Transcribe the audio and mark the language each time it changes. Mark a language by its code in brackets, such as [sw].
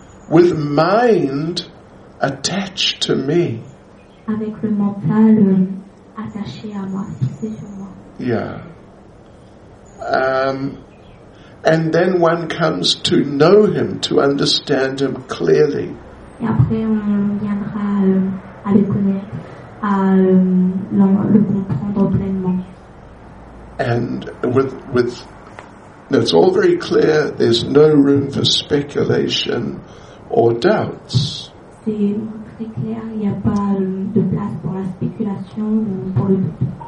[en] With mind attached to me. [fr] Avec le mental attaché à moi, fixé sur moi. [en] Yeah. And then one comes to know him, to understand him clearly. [fr] Et après, on viendra à le connaître, à le comprendre pleinement. [en] And with, no, it's all very clear, there's no room for speculation or doubts. [fr] C'est très clair, il n'y a pas de place pour la spéculation ou pour le doute.